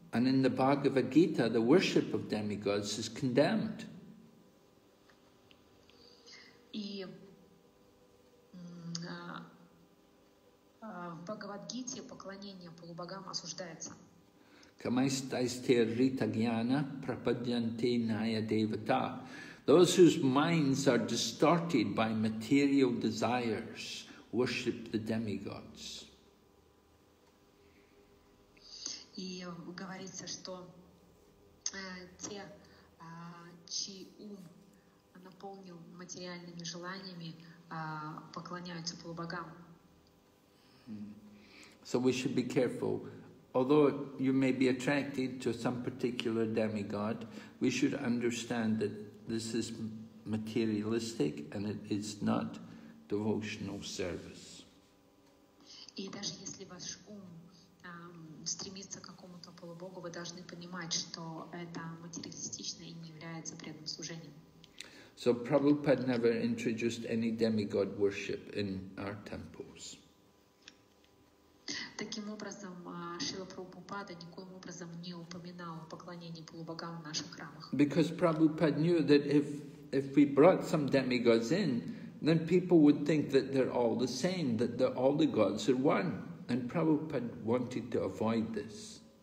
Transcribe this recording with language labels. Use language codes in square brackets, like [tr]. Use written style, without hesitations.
[en] And in the Bhagavad Gita, the worship of demigods is condemned. [ru] И в Бхагавад-гите поклонение полубогам осуждается. [sa] Камайстайстер рита гьяна прападьянте ная девата. [en] Those whose minds are distorted by material desires worship the demigods. [ru] И говорится, что те, чьи ум наполнил материальными желаниями, поклоняются полубогам. [en] So we should be careful. Although you may be attracted to some particular demigod, we should understand that this is materialistic and it is not devotional service. [ru] И даже если ваш ум стремится к какому-то полубогу, вы должны понимать, что это материалистично и не является преданным служением. [en] So Prabhupada never introduced any demigod worship in our temples. [ru] Таким образом, Шрила Прабхупада никоим образом не упоминал поклонение полубогам в наших храмах. [en] Because Prabhupada knew that if we brought some demigods in, then people would think that they're all the same, that all the gods are one. And Prabhupada wanted to avoid this.